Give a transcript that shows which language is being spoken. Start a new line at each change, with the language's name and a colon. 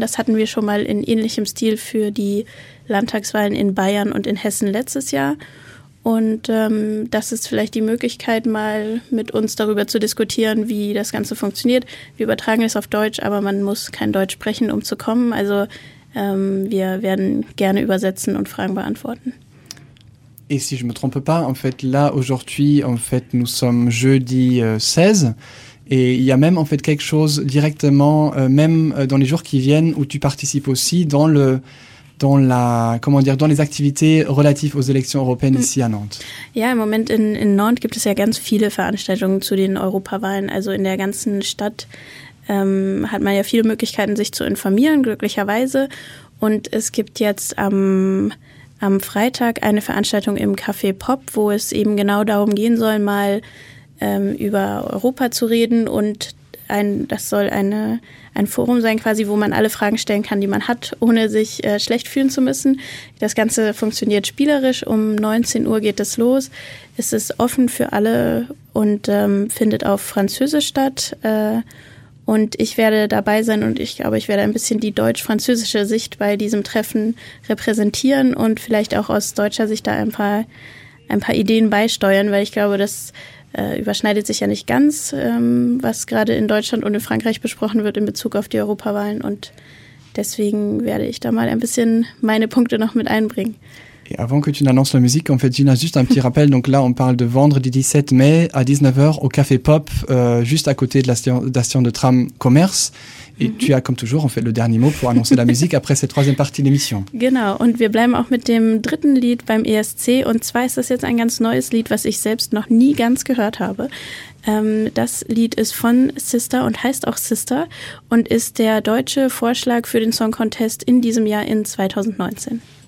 German: Das hatten wir schon mal in ähnlichem Stil für die Landtagswahlen in Bayern und in Hessen letztes Jahr. Und das ist vielleicht die Möglichkeit, mal mit uns darüber zu diskutieren, wie das Ganze funktioniert. Wir übertragen es auf Deutsch, aber man muss kein Deutsch sprechen, um zu kommen. Also wir werden gerne übersetzen und Fragen beantworten.
French: Et si je me trompe pas, en fait, là, aujourd'hui, en fait, nous sommes jeudi 16, et il y a même, en fait, quelque chose directement, même dans les jours qui viennent, où tu participes aussi dans le... dans les activités relatives aux élections européennes ici à Nantes.
German: Ja, im Moment in Nantes gibt es ja ganz viele Veranstaltungen zu den Europawahlen. Also in der ganzen Stadt hat man ja viele Möglichkeiten, sich zu informieren, glücklicherweise. Und es gibt jetzt am Freitag eine Veranstaltung im Café Pop, wo es eben genau darum gehen soll, mal über Europa zu reden. Und das soll ein Forum sein quasi, wo man alle Fragen stellen kann, die man hat, ohne sich schlecht fühlen zu müssen. Das Ganze funktioniert spielerisch. Um 19 Uhr geht es los. Es ist offen für alle und findet auf Französisch statt. Und ich werde dabei sein und ich glaube, ich werde ein bisschen die deutsch-französische Sicht bei diesem Treffen repräsentieren und vielleicht auch aus deutscher Sicht da ein paar Ideen beisteuern, weil ich glaube, dass überschneidet sich ja nicht ganz, was gerade in Deutschland und in Frankreich besprochen wird in Bezug auf die Europawahlen. Und deswegen werde ich da mal ein bisschen meine Punkte noch mit einbringen.
French: Et avant que tu n'annonces la musique, en fait, Gina, juste un petit rappel. Donc là, on parle de vendredi 17 mai à 19h au Café Pop, juste à côté de la station de tram Commerce. Et tu as, comme toujours, en fait, le dernier mot pour annoncer la musique après cette troisième partie d'émission.
German: Genau. Und wir bleiben auch mit dem dritten Lied beim ESC. Und zwar ist das jetzt ein ganz neues Lied, was ich selbst noch nie ganz gehört habe. Das Lied ist von Sister und heißt auch Sister und ist der deutsche Vorschlag für den Song Contest in diesem Jahr in 2019.